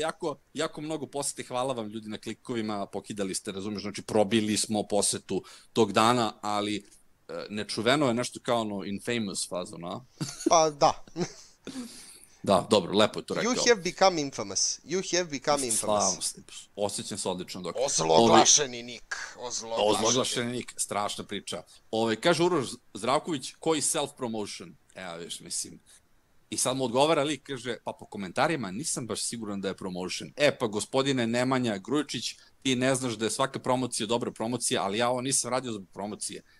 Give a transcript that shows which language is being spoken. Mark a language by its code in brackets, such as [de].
[sr] jako, jako mnogo posete, hvala vam ljudi na klikovima, pokidali ste, razumeš, znači probili smo posetu tog dana, ali nečuveno je nešto kao ono infamous fazu, na? Pa da. Da, dobro, lepo je to rekao. [en] You have become infamous. You have become infamous. [sr] Stvarno, osjećam se odlično. Dok... Ozloglašeni nik. Ozloglašeni nik, strašna priča. Ove, kaže Uroš Zdravković, koji self-promotion? Evo, viš, mislim. I sad mu odgovara lik, kaže, pa po komentarima nisam baš siguran da je promotion. E, pa gospodine Nemanja Grujičić, ti ne znaš da je svaka promocija dobra promocija, ali ja ovo nisam radio zbog promocije.